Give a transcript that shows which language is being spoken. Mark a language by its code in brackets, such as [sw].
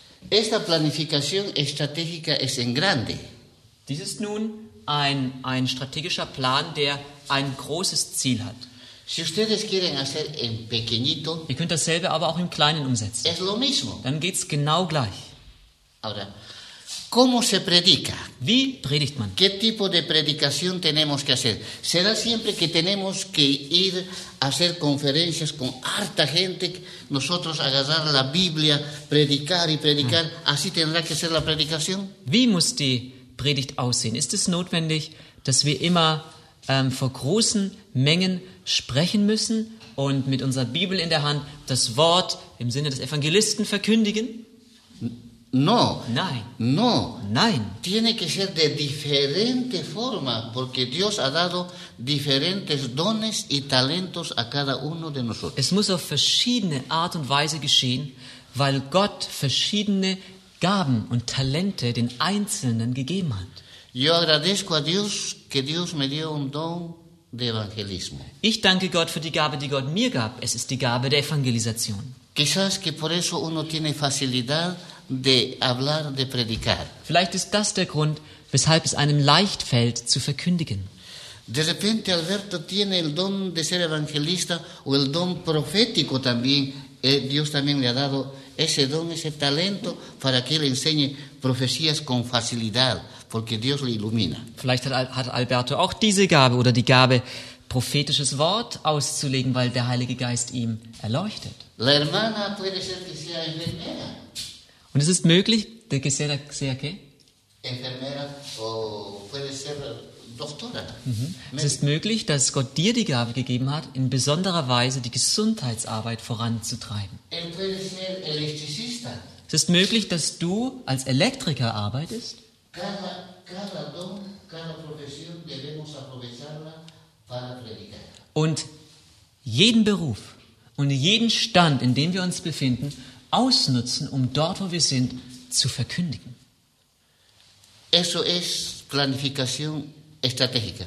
[es] Esta planificación estratégica es en grande. [de] Dies ist nun ein strategischer Plan, der ein großes Ziel hat. [es] Si ustedes quieren hacer en pequeñito, [de] ihr könnt dasselbe aber auch im Kleinen umsetzen. [es] Es lo mismo. [de] Dann geht es genau gleich. [es] Ahora, ¿cómo se predica? [de] Wie predigt man? [es] ¿Qué tipo de predicación tenemos que hacer? ¿Será siempre que tenemos que ir a hacer conferencias con harta gente, nosotros agarrar la Biblia, predicar y predicar? ¿Así tendrá que ser la predicación? [de] Wie muss die Predigt aussehen? Ist es notwendig, dass wir immer vor großen Mengen sprechen müssen und mit unserer Bibel in der Hand das Wort im Sinne des Evangelisten verkündigen? [es] No. [de] Nein. [es] No. [de] Nein. [es] Tiene que ser de diferente forma, porque Dios ha dado diferentes dones y talentos a cada uno de nosotros. [de] Es muss auf verschiedene Art und Weise geschehen, weil Gott verschiedene Gaben und Talente den Einzelnen gegeben hat. [es] Yo agradezco a Dios que Dios me dio un don de evangelismo. [de] Ich danke Gott für die Gabe, die Gott mir gab. Es ist die Gabe der Evangelisation. [es] Quizás que por eso uno tiene facilidad de hablar, de predicar. [de] Vielleicht ist das der Grund, weshalb es einem leicht fällt, zu verkündigen. [es] De repente Alberto tiene el don de ser evangelista o el don profético también. Dios también le ha dado ese don, ese talento, para que él enseñe profecías con facilidad, porque Dios le ilumina. [de] Vielleicht hat Alberto auch diese Gabe oder die Gabe, prophetisches Wort auszulegen, weil der Heilige Geist ihm erleuchtet. [es] La hermana puede ser que sea enfermera. [de] Und es ist möglich, der Geselle, [es] Enfermera o puede ser doctora. [de] Es ist möglich, dass Gott dir die Gabe gegeben hat, in besonderer Weise die Gesundheitsarbeit voranzutreiben. [es] Él puede ser electricista. [de] Es ist möglich, dass du als Elektriker arbeitest. [es] Cada don, cada profesión debemos aprovecharla para predicar. [de] Und jeden Beruf und jeden Stand, in dem wir uns befinden, ausnutzen, um dort, wo wir sind, zu verkündigen. [es] Eso es planificación estratégica.